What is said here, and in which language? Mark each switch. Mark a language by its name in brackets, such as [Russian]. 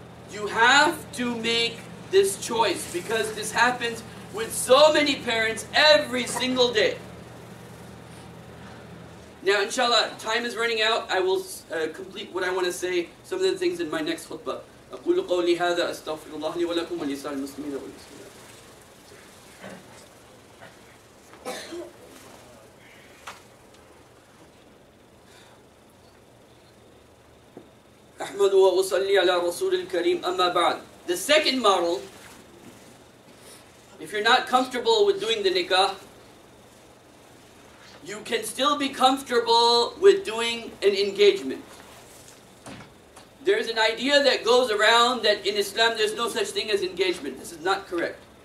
[English] You have to make this choice, because this happens with so many parents every single day. Now, inshallah, time is running out. I will complete what I want to say, some of the things, in my next khutbah. [Arabic] أقول قولي هذا أستغفر الله لي ولكم ولسائر المسلمين والمسلمات. أحمد وأصلي على رسول الكريم أما بعد. [English] The second model, if you're not comfortable with doing the nikah, you can still be comfortable with doing an engagement. There's an idea that goes around that in Islam there's no such thing as engagement. This is not correct.